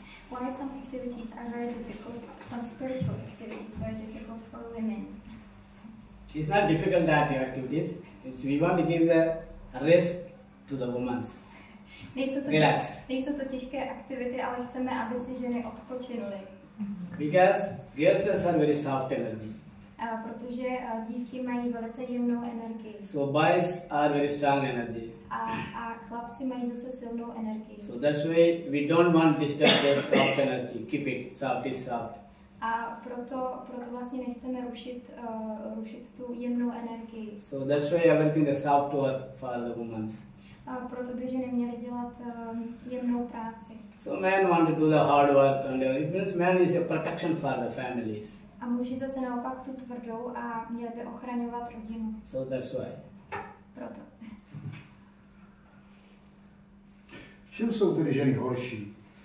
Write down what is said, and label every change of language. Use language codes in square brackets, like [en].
[en] Why some activities are very difficult, some spiritual activities are very difficult for women? It's not difficult that the activities, it's we want to give the rest to the women. Relax. [cs] Nejsou to těžké aktivity, ale chceme, aby si ženy odpočinuly. [en] Because girls are very soft energy. [cs] Protože dívky mají velice jemnou energii. [en] So boys are very strong energy. [cs] A chlapci mají zase silnou energii. [en] So that's why we don't want disturb their soft energy. Keep it soft, it's soft. [cs] A proto vlastně nechceme rušit tu jemnou energii. [en] So that's why everything is soft to work for the women. [cs] Proto by ženy měly dělat jemnou práci. [en] So men want to do the hard work and it means man is a protection for the families. [cs] A muži zase naopak tu tvrdou a měl by ochraňovat rodinu. [en] So that's why. [cs] Proto. V čem jsou tedy ženy horší?